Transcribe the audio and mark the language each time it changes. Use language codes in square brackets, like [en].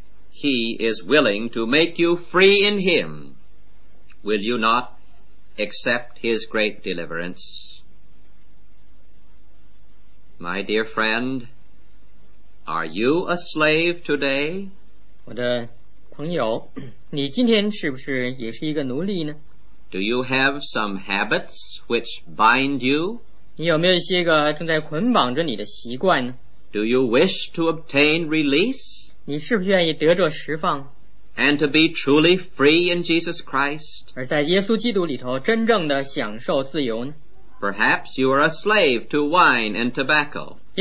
[en] He is willing to make you free in him. Will you not accept his great deliverance? My dear friend, are you a slave today? [zh] 我的朋友, 你今天是不是也是一个奴隶呢? [en] Do you have some habits which bind you? [zh] 你有没有一些个正在捆绑着你的习惯呢? [en] Do you wish to obtain release? [zh] 你是不是愿意得着释放? [en] And to be truly free in Jesus Christ? [zh] 而在耶稣基督里头真正的享受自由呢? [en] Perhaps you are a slave to wine and tobacco.